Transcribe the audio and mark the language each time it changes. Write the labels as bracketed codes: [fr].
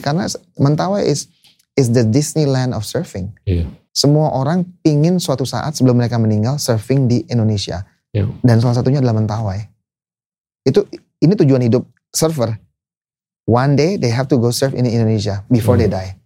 [id] Karena [en] Mentawai is the Disneyland of surfing. Yeah. [id] Semua orang pingin suatu saat sebelum mereka meninggal surfing di Indonesia. [en] Yeah. [id] Dan salah satunya adalah Mentawai. Ini tujuan hidup surfer. [en] One day they have to go surf in Indonesia before they die.